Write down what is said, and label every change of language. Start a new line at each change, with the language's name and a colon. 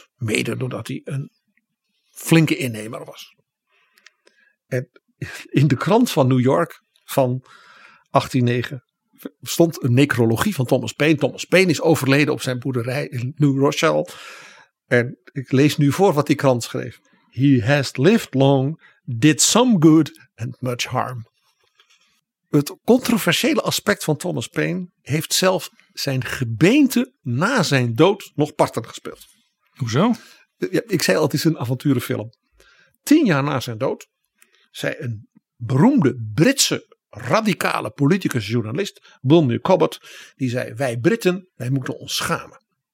Dutch: Mede doordat hij een flinke innemer was. En in de krant van New York van 1809 stond een necrologie van Thomas Paine. Thomas Paine is overleden op zijn boerderij in New Rochelle. En ik lees nu voor wat die krant schreef.
English: He has lived long, did some good and much harm.
Dutch: Het controversiële aspect van Thomas Paine heeft zelfs zijn gebeente na zijn dood nog parten gespeeld. Hoezo? Ja, ik zei al, het is een avonturenfilm. 10 jaar na zijn dood zei een beroemde Britse radicale politicus journalist, Bulmer Cobbett, die zei, wij Britten, wij moeten ons schamen.